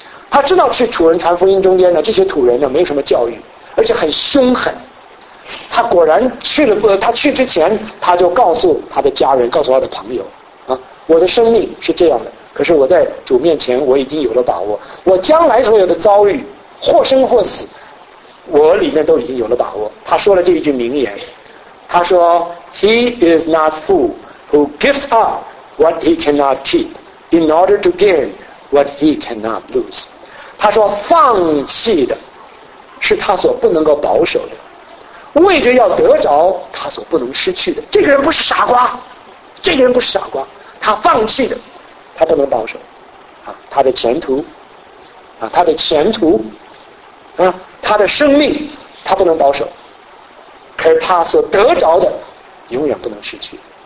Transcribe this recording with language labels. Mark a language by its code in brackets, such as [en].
[zh] 他知道去土人传福音中间呢，这些土人呢没有什么教育，而且很凶狠。他果然去了，他去之前他就告诉他的家人，告诉他的朋友啊，我的生命是这样的，可是我在主面前我已经有了把握，我将来所有的遭遇或生或死我里面都已经有了把握。他说了这一句名言，他说 [en] He is not fool who gives up what he cannot keep in order to gain what he cannot lose。 [zh] 他说放弃的是他所不能够保守的，为着要得着他所不能失去的。这个人不是傻瓜，这个人不是傻瓜，他放弃的他不能保守啊，他的前途啊，他的前途啊，他的生命他不能保守，可是他所得着的永远不能失去。